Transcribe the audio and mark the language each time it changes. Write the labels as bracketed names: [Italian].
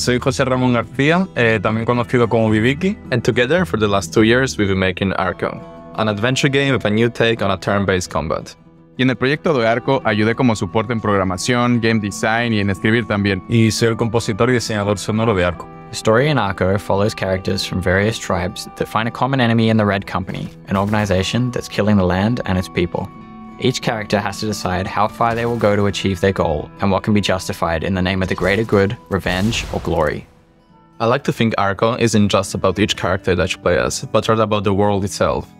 [Spanish] Soy José Ramón García, también conocido como Viviki. [English] And together, for the last 2 years, we've been making Arco, an adventure game with a new take on a turn-based combat. [Spanish] Y en el proyecto de Arco, ayudé como soporte en programación, game design y en escribir también. Y soy el compositor y diseñador sonoro de Arco. [English] The story in Arco follows characters from various tribes that find a common enemy in the Red Company, an organization that's killing the land and its people. Each character has to decide how far they will go to achieve their goal and what can be justified in the name of the greater good, revenge, or glory. I like to think Arco isn't just about each character that you play as, but rather about the world itself.